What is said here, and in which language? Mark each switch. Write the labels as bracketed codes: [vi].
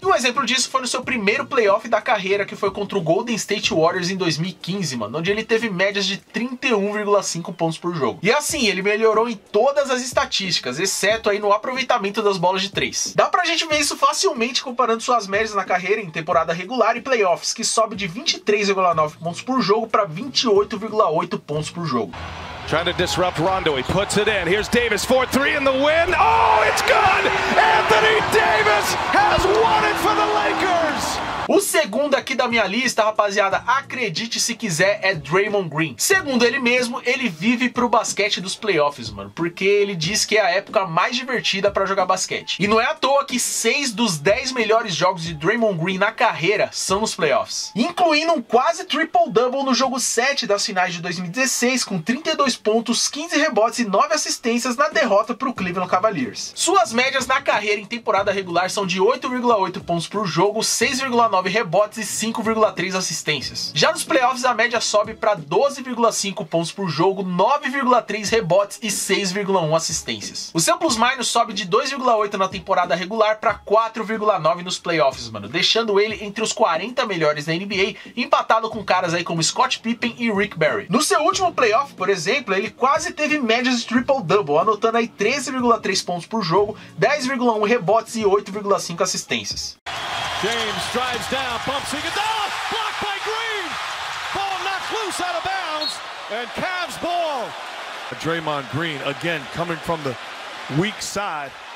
[pt] E um exemplo disso foi no seu primeiro playoff da carreira, que foi contra o Golden State Warriors em 2015, mano, onde ele teve médias de 31,5 pontos por jogo. E assim, ele melhorou em todas as estatísticas, exceto aí no aproveitamento das bolas de 3. Dá pra gente ver isso facilmente comparando suas médias na carreira em temporada regular e playoffs, que sobe de 23,9 pontos por jogo para 28,8 pontos por jogo. [en] Trying to disrupt Rondo, he puts it in. Here's Davis, 4-3 in the win. Oh, it's good! Anthony Davis has won it for the Lakers! [pt] O segundo aqui da minha lista, rapaziada, acredite se quiser, é Draymond Green. Segundo ele mesmo, ele vive pro basquete dos playoffs, mano, porque ele diz que é a época mais divertida pra jogar basquete. E não é à toa que 6 dos 10 melhores jogos de Draymond Green na carreira são nos playoffs. Incluindo um quase triple-double no jogo 7 das finais de 2016, com 32 pontos, 15 rebotes e 9 assistências na derrota pro Cleveland Cavaliers. Suas médias na carreira em temporada regular são de 8,8 pontos por jogo, 6,9 rebotes e 5,3 assistências. Já nos playoffs, a média sobe para 12,5 pontos por jogo, 9,3 rebotes e 6,1 assistências. O seu plus-minus sobe de 2,8 na temporada regular para 4,9 nos playoffs, mano, deixando ele entre os 40 melhores da NBA, empatado com caras aí como Scottie Pippen e Rick Barry. No seu último playoff, por exemplo, ele quase teve médias de triple-double, anotando aí 13,3 pontos por jogo, 10,1 rebotes e 8,5 assistências. [en] James drives down, bumps Iguodala, blocked by Green, ball knocked loose out of bounds, and Cavs ball. Draymond Green, again, coming from the weak side.